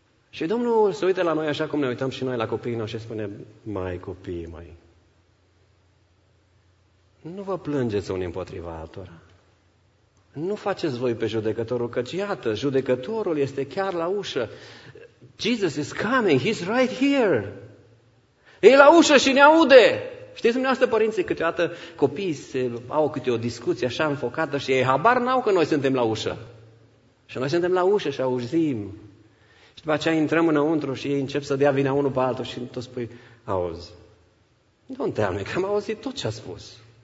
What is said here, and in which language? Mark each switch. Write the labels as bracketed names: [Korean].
[Romanian] Și Domnul se uită la noi așa cum ne uităm și noi la copiii noștri și spune, mai copii, mai, nu vă plângeți unii împotriva altora. Nu faceți voi pe judecătorul, căci iată, judecătorul este chiar la ușă. [English] Jesus is coming, he's right here. [Romanian] E la ușă și ne aude. Știți dumneavoastră, părinții, câteodată copiii au câte o discuție așa înfocată și ei habar n-au că noi suntem la ușă. Și noi suntem la ușă și auzim. Și după aceea intrăm înăuntru și ei încep să dea vina unul pe altul și tu spui, auzi, Doamne, că am auzit tot ce a spus.